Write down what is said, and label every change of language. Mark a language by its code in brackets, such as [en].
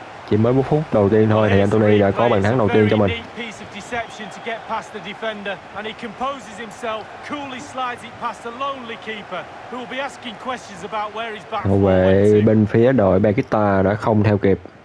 [vi] Chỉ mới 1 phút đầu tiên thôi thì Anthony đã có bàn thắng đầu tiên cho mình. [en] Deception to get past the defender, and he composes himself, coolly slides it past a lonely keeper who will be asking questions about where his back. [vi] Hậu vệ bên phía đội Beşiktaş đã không theo kịp.